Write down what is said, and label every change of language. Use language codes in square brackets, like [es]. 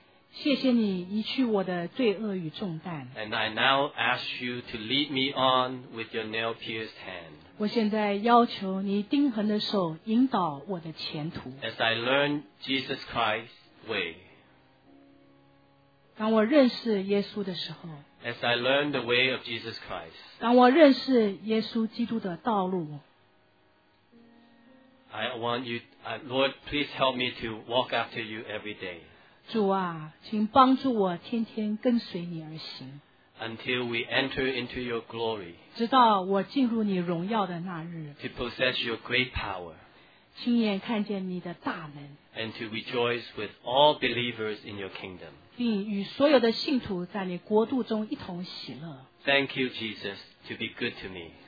[zh] 谢谢你移去我的罪恶与重担。 [en] And I now ask you to lead me on with your nail-pierced hand. [zh] 我现在要求你钉痕的手引导我的前途。 [en] As I learn Jesus Christ's way, [zh] 当我认识耶稣的时候。 [en] As I learn the way of Jesus Christ, [zh] 当我认识耶稣基督的道路。 [en] I want you, Lord, please help me to walk after you every day. [zh] 主啊，请帮助我天天跟随你而行。 [en] Until we enter into your glory, [zh] 直到我进入你荣耀的那日 [en] to possess your great power, [zh] 亲眼看见你的大能 [en] and to rejoice with all believers in your kingdom, [zh] 并与所有的信徒在你国度中一同喜乐 [en] Thank you, Jesus, to be good to me.